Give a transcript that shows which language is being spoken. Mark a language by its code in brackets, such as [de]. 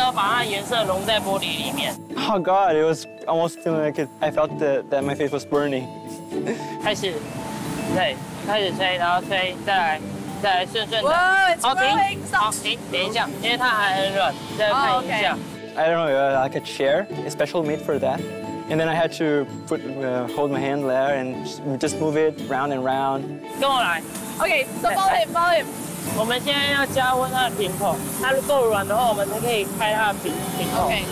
[zh] 好，现在的话，我们就要开始配色。然后我们上完一个颜色的时候，我们就要在这个火炉里面烤。我们现在是要把它颜色融在玻璃里面。 [en] Oh God, it was almost feeling like I felt that my face was burning. [zh] 开始，对。开始吹，然后吹，再来，顺顺。哇，停，好，停，等一下，因为它还很软，再看一下。 [en] I don't know, like a chair, special made for that. And then I had to put hold my hand there and just move it round and round. [zh] 跟我来 [en] ，Okay, so follow him, follow him. [zh] 我们现在要加温它的瓶口，它够软的话，我们就可以开它的瓶口。Okay,